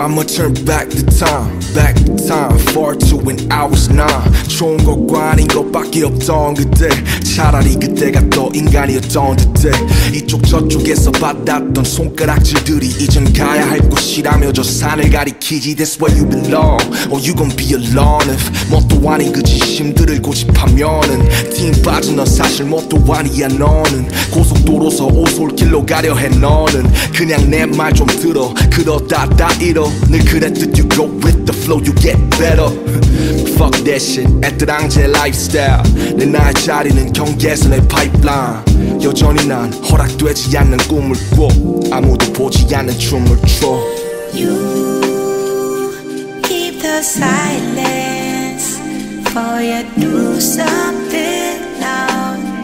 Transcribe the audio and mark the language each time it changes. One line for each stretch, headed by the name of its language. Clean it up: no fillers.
English: Turn back the time, back the time. Far to when I was nine.
Korean: 좋은 것과 아닌 것밖에 없던 그때. 차라리 그때가 더 인간이었던 듯해. 이쪽 저쪽에서 받았던 손가락질들이 이젠 가야 할 곳이라며 저 산을 가리키지.
English: That's where you belong, or you gon' be alone.
Korean: If 뭣도 아닌 그 진심들을 고집하면은 팀 빠진 넌 사실 뭣도 아니야. 너는 고속도로서 오솔길로 가려 해. 너는 그냥 내 말 좀 들어. 그러다 다 잃어. 늘 그랬듯
English: you go with the flow, you get better. Fuck that shit,
Korean: 애틀랑제
English: lifestyle.
Korean: 내 나의 자리는 경계선의 파이프라인. 여전히 난 허락되지 않는 꿈을 꾸어. 아무도 보지 않는 춤을 춰.
English: You keep the silence, for you do something loud.